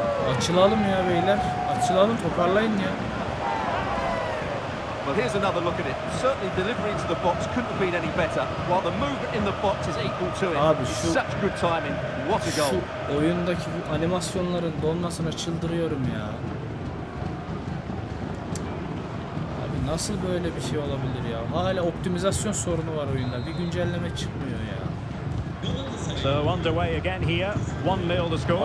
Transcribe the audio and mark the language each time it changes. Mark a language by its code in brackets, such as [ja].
[tr] Açılalım ya beyler. Açılalım, toparlayın ya. [en] Well, here's another look at it. Certainly delivery into the box couldn't have been any better. While the movement in the box is equal to it. [tr] Abi şu, [en] such good timing. What a goal. [tr] Şu oyundaki bu animasyonların donmasına çıldırıyorum ya. Abi nasıl böyle bir şey olabilir ya? Hala optimizasyon sorunu var oyunda. Bir güncelleme çıkmıyor ya. [en] So underway again here. 1-0 the score.